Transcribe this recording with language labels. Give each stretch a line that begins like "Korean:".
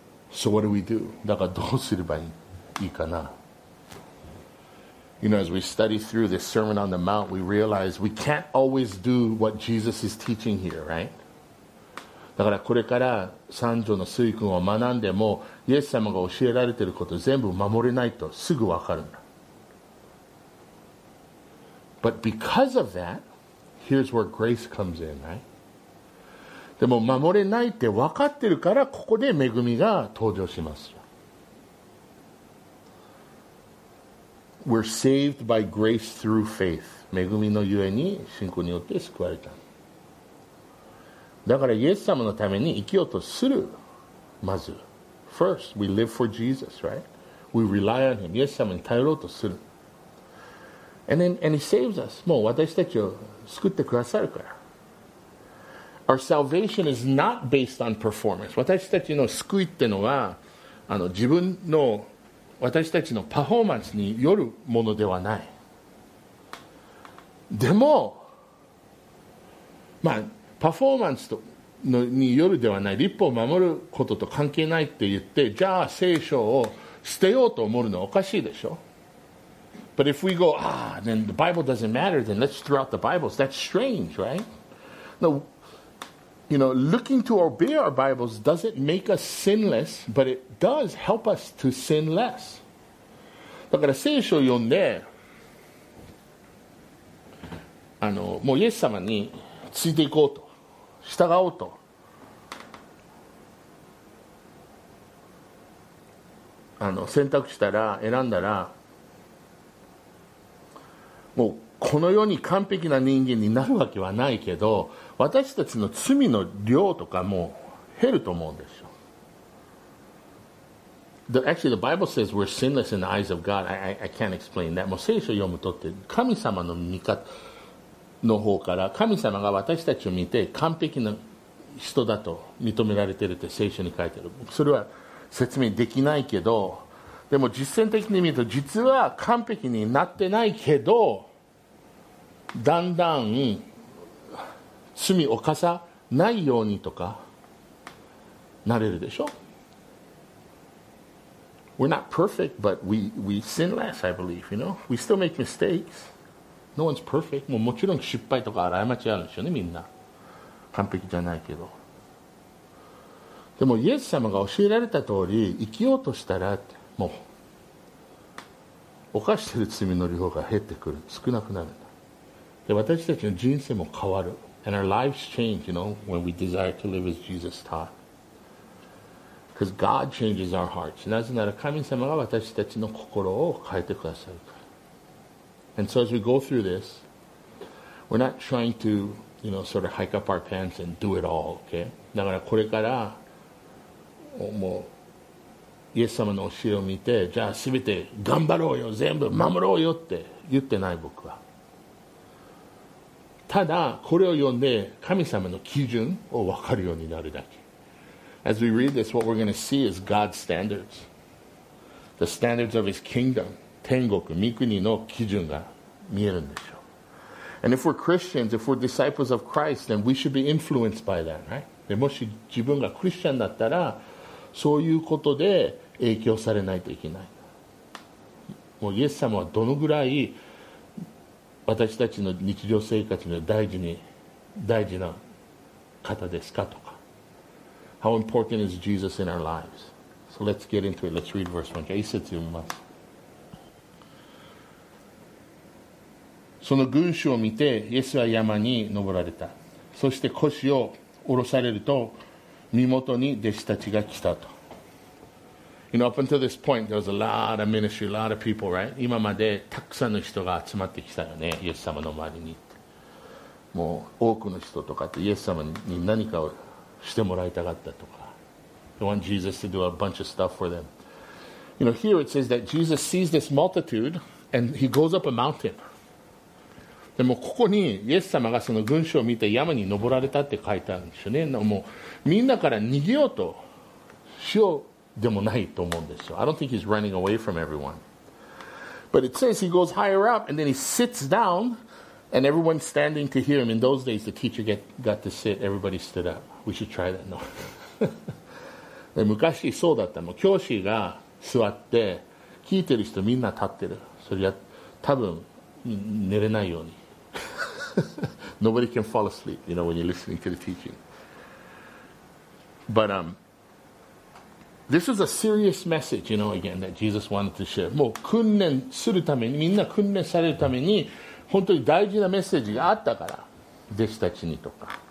English: So what do we do?
Japanese: だからどうすればいいかな。
English: You know, as we study through this Sermon on the Mount, we realize we can't always do what Jesus is teaching here, right?
Japanese: だからこれから三条の水君を学んでも、イエス様が教えられていること全部守れないとすぐ分かるんだ。
English: But because of that, here's where grace comes in, right?
Japanese: でも守れないって分かってるから、ここで恵みが登場します。
English: We're saved by grace through faith.
Japanese: 恵みのゆえに信仰によって救われた。だからイエス様のために生きようとする。まず
English: First, we live for Jesus, right? We rely on him.
Japanese: イエス様に頼ろうとする。
English: And he saves us.
Japanese: もう私たちを救ってくださるから。
English: Our salvation is not based on performance.
Japanese: 私たちの救いってのは、あの自分の私たちのパフォーマンスによるものではない。でもまあパフォーマンスによるではない、立法を守ることと関係ないって言って、じゃあ聖書を捨てようと思うのはおかしいでしょ。
English: But if we go, ah, then the Bible doesn't matter, then let's throw out the Bibles. That's strange, right? No, you know, looking to obey our Bibles doesn't make us sinless, but it does help us to sin less.
Japanese: だから聖書を読んで、もうイエス様についていこうと、従おうと、選択したら、選んだら、もうこの世に完璧な人間になるわけはないけど、私たちの罪の量とかも減ると思うんですよ。
English: Actually, the Bible says we're sinless in the eyes of God. I can't explain that.
Japanese: もう聖書読むとって、神様の見方の方から、神様が私たちを見て完璧な人だと認められているって聖書に書いてある。それは説明できないけど、でも実践的に見ると実は完璧になってないけど、だんだん罪を犯さないようにとかなれるでしょ。
English: We're not perfect, but we sin less, I believe, you know? We still make mistakes. No one's perfect.
Japanese: もうもちろん失敗とか過ちあるんですよね、みんな。完璧じゃないけど。でもイエス様が教えられた通り、生きようとしたら、もう、犯している罪の量が減ってくる。少なくなるんだ。で、私たちの人生も変わる。
English: And our lives change, you know, when we desire to live as Jesus taught. Because God changes our hearts.
Japanese: なぜなら神様が私たちの心を変えてくださるから。
English: And so as we go through this, we're not trying to, you know, sort of hike up our pants and do it all, okay?
Japanese: だからこれから、もう、イエス様の教えを見て、じゃあ全て頑張ろうよ、全部守ろうよって言ってない僕は。ただこれを読んで神様の基準を分かるようになるだけ。
English: As we read this, what we're going to see is God's standards. The standards of His kingdom,
Japanese: 天国、御国の基準が見えるんでしょう。
English: And if we're Christians, if we're disciples of Christ, then we should be influenced by that, right?
Japanese: でもし自分がクリスチャンだったら、そういうことで影響されないといけない。もうイエス様はどのぐらい私たちの日常生活の大事な方ですかとか。
English: How important is Jesus in our lives? So let's get into it. Let's read verse 1.
Japanese: 一節読みます。その群衆を見て、イエスは山に登られた。そして腰を下ろされると、身元に弟子たちが来たと。
English: You know, up until this point, there was a lot of ministry, a lot of people, right?
Japanese: 今までたくさんの人が集まってきたよね、イエス様の周りに。もう多くの人とかってイエス様に何かをしてもらいたかったとか。
English: They want Jesus to do a bunch of stuff for them. You know, here it says that Jesus sees this multitude and he goes up a mountain.
Japanese: でもここにイエス様がその群衆を見て山に登られたって書いてあるんですよね。もうみんなから逃げようとしよう。でもないと思うんですよ。
English: I don't think he's running away from everyone. But it says he goes higher up and then he sits down and everyone's standing to hear him. In those days, the teacher got to sit. Everybody stood up. We should try that. No.
Japanese: で昔そうだったの。教師が座って聞いてる人みんな立ってる。それは多分寝れないように。
English: Nobody can fall asleep, you know, when you're listening to the teaching. But, This is a serious message, you know, again, that Jesus wanted to share.
Japanese: もう訓練するために、みんな訓練されるために、本当に大事なメッセージがあったから、弟子たちにとか。